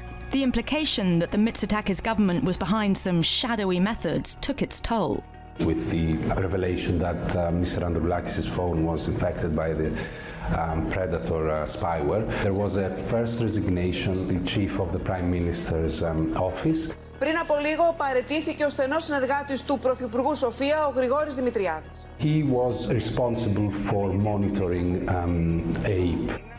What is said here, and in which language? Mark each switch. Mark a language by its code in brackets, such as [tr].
[en] The implication that the Mitsotakis government was behind some shadowy methods took its toll. With the revelation that Mr. Androulakis' phone was infected by the Predator spyware, there was a first resignation of the chief of the Prime Minister's office. [el] Πριν από λίγο παραιτήθηκε ο στενός συνεργάτης του Πρωθυπουργού Σοφία, ο Γρηγόρης Δημητριάδης. [en] He was responsible for monitoring AIP.